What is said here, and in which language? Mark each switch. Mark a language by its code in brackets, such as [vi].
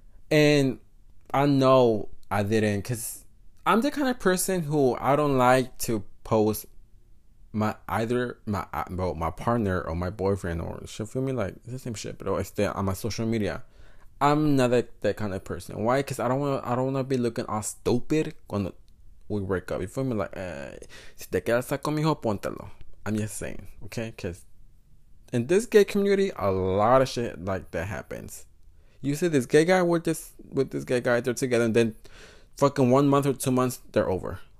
[en] And I know I didn't. Because I'm the kind of person who I don't like to post my partner or my boyfriend or shit. Feel me? Like, it's the same shit. But on my social media. I'm not that kind of person. Why? Because I don't want to be looking all stupid when we break up. You feel me? [es] Like, si te quedas con mi hijo, póntelo. [en] I'm just saying. Okay? Because in this gay community, a lot of shit like that happens. You see this gay guy with this gay guy, they're together, and then fucking 1 month or 2 months, they're over.